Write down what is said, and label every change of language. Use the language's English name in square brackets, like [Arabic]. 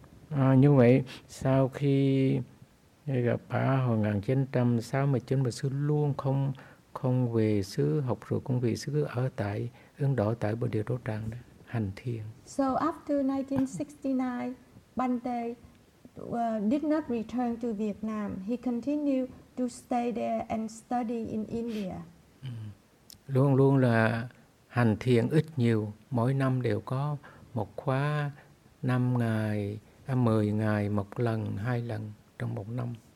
[Vietnamese] À, như vậy, sau khi gặp bà hồi 1969, mà sư luôn không về xứ học rồi cũng vì sư ở tại Ấn Độ, tại Bồ Đề Đô Tràng đó, hành thiền. [English] So after 1969, Bhante did not return to Vietnam. He continued to stay there and study in India. [Vietnamese] Luôn luôn là hành thiền ít nhiều, mỗi năm đều có một khóa 5 ngày, 10 ngày một lần, 2 lần trong một năm.